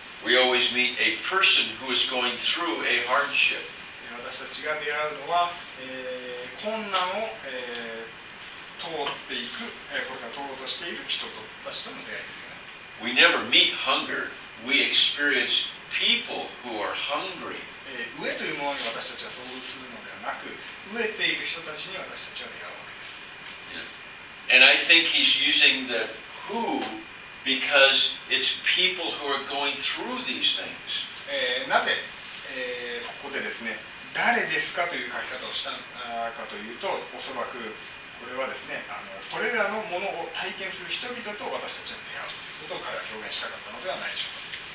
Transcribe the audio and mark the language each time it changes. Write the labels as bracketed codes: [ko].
[en] We always meet a person who is going through a hardship. [ja] 私たちが出会うのは、困難を、通っていく、これから通ろうとしている人と私との出会いですよね。 [en] We never meet hunger. We experience people who are hungry. [ja] 飢えというものに私たちは遭遇するのではなく、飢えている人たちに私たちは出会うわけです。 [en] And I think he's using the who because it's people who are going through these things. [ja] なぜ、ここでですね。誰ですかという書き方をしたかというと、おそらくこれはですね、これらのものを体験する人々と私たちが出会うということを彼は表現したかったのではないでしょうか。